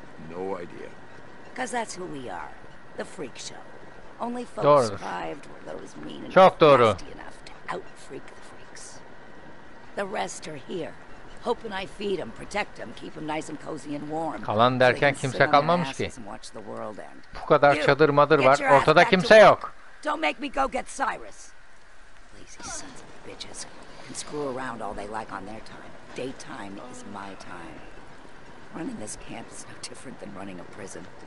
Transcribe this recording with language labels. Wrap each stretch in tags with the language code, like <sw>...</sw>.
<en>No idea. Cuz that's who we are. The freak show. Only folks survived were those mean and nasty enough to out-freak the freaks. The rest are here. Hoping I feed them, protect them, keep them nice and cozy and warm.</en> <tr>Kalan derken kimse kalmamış ki. Bu kadar çadır madır var, ortada kimse yok.</tr> <en>Don't make me go get Cyrus. Lazy sons of bitches can screw around all they like on their time. Daytime is my time. Running this camp is no different than running a prison.</en>